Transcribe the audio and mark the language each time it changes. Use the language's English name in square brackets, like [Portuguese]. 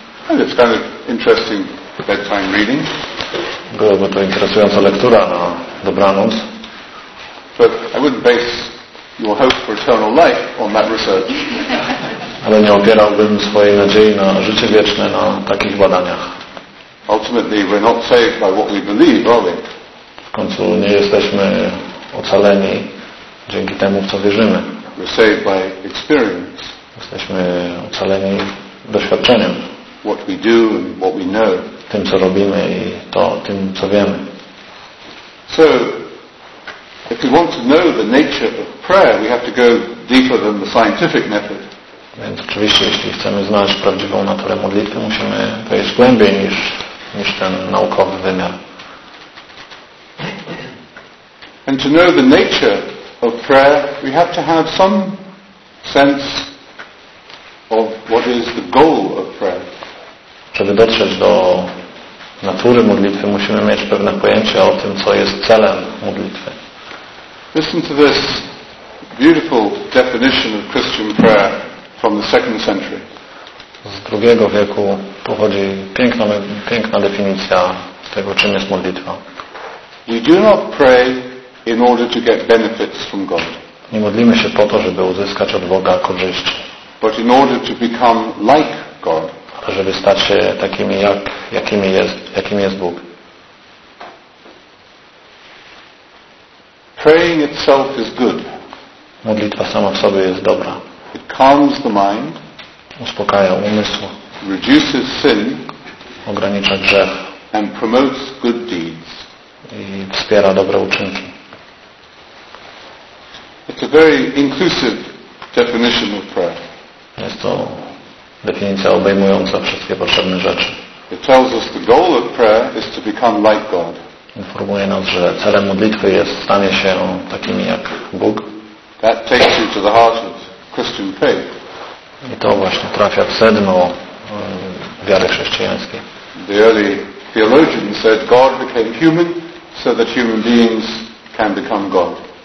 [English] And it's kind of interesting bedtime reading. [Polish] Byłoby to interesująca lektura na dobranoc. [English] But I wouldn't base your hope for eternal life on that research. [Polish] Ale nie opierałbym swojej nadziei na życie wieczne na takich badaniach. [English] Ultimately, we're not saved by what we believe, are we? [Polish] W końcu nie jesteśmy ocaleni dzięki temu, w co wierzymy. [English] We're saved by experience. [Polish] Jesteśmy ocaleni doświadczeniem. [English] What we do and what we know. [Polish] Tym, co robimy i to, tym, co wiemy. [English] So, if we want to know the nature of prayer, we have to go deeper than the scientific method. [Polish] Więc oczywiście, jeśli chcemy znać prawdziwą naturę modlitwy, musimy wejść głębiej niż ten naukowy wymiar. [English] And to know the nature of prayer, we have to have some sense of what is the goal of prayer. [Polish] Żeby dotrzeć do natury modlitwy, musimy mieć pewne pojęcie o tym, co jest celem modlitwy. [English] Listen to this beautiful definition of Christian prayer from the second century. [Polish] Z drugiego wieku pochodzi piękna definicja tego, czym jest modlitwa. [English] We do not pray in order to get benefits from God. [Polish] Nie modlimy się po to, żeby uzyskać od Boga korzyści. [English] But in order to become like God. [Polish] Żeby stać się takimi, jakim jest Bóg. [English] Praying itself is good. [Polish] Modlitwa sama w sobie jest dobra. [English] It calms the mind. [Polish] Uspokaja umysł. [English] Reduces sin. [Polish] Ogranicza grzech. [English] And promotes good deeds. [Polish] I wspiera dobre uczynki. [English] It's a very inclusive definition of prayer. [Polish] Jest to definicja obejmująca wszystkie potrzebne rzeczy. [English] It tells us the goal of prayer is to become like God. [Polish] Informuje nas, że celem modlitwy jest stanie się takimi jak Bóg. [English] That takes you to the heart of Christian faith. [Polish] I to właśnie trafia w sedno wiary chrześcijańskiej. [English] The early theologian said God became human so that human beings can become God.